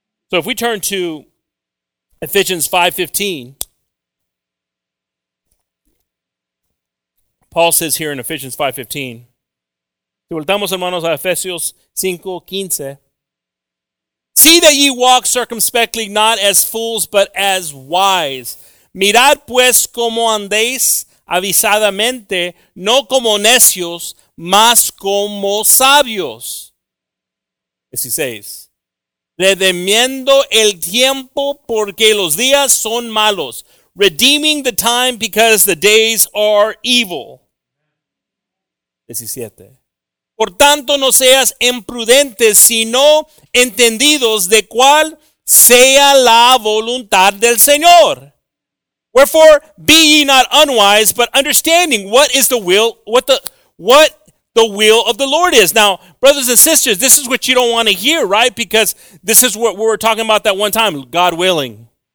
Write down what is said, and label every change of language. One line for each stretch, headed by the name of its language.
English: So if we turn to Ephesians 5:15, Paul says here in Ephesians 5:15,
Spanish: si voltamos, hermanos, a Ephesians 5:15,
English: see that ye walk circumspectly, not as fools, but as wise.
Spanish: Mirad, pues, como andéis, avisadamente, no como necios, mas como sabios. 16. Redimiendo el tiempo, porque los días son malos.
English: Redeeming the time, because the days are evil. 17.
Spanish: Por tanto, no seas imprudentes, sino entendidos de cuál sea la voluntad del Señor.
English: Wherefore, be ye not unwise, but understanding what is the will, what the will of the Lord is. Now, brothers and sisters, this is what you don't want to hear, right? Because this is what we were talking about that one time, God willing.